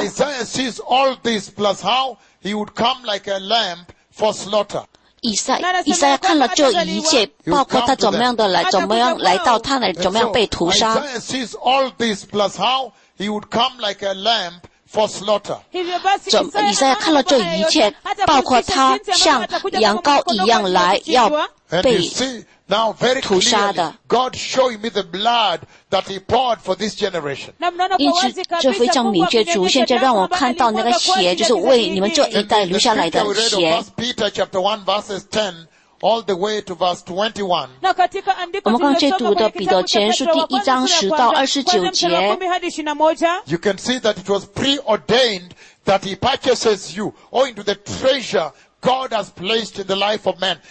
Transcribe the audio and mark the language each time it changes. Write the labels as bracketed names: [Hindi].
[English] Isaiah sees all this plus how he would come like a lamb for slaughter. [Chinese] 以赛亚看了这一切, 包括他怎么样的来, 怎么样来到他那, 怎么样被屠杀, [English] Isaiah sees all this plus how he would come like a lamb for slaughter. [Chinese] 以赛亚看到这一切, 包括他像羊羔一样来要被 [English] Now, very clearly, God showing me the blood that He poured for this generation. You can see that it was preordained that He purchases you owing to the treasure God has placed in the life of man.